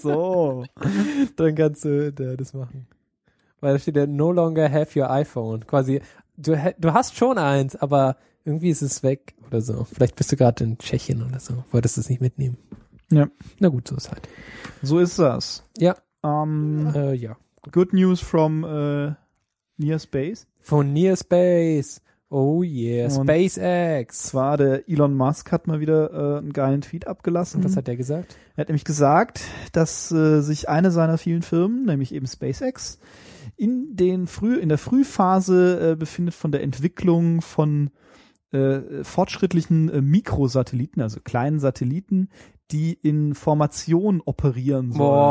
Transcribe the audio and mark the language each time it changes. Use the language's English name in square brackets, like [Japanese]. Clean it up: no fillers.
[German] So. Dann kannst du das machen. Weil da steht ja [English] no longer have your iPhone. [German] Quasi, du hast schon eins, aber irgendwie ist es weg oder so. Vielleicht bist du gerade in Tschechien oder so. Wolltest du es nicht mitnehmen. Ja. Na gut, so ist halt. So ist das. Ja. Ja. [English] Good news from Near Space. [German] Von Near Space. [English] Oh yeah, [German] und SpaceX. Zwar der Elon Musk hat mal wieder einen geilen Tweet abgelassen. Und was hat der gesagt? Er hat nämlich gesagt, dass sich eine seiner vielen Firmen, nämlich eben SpaceX, in der Frühphase befindet von der Entwicklung von fortschrittlichen Mikrosatelliten, also kleinen Satelliten, die in Formation operieren sollen.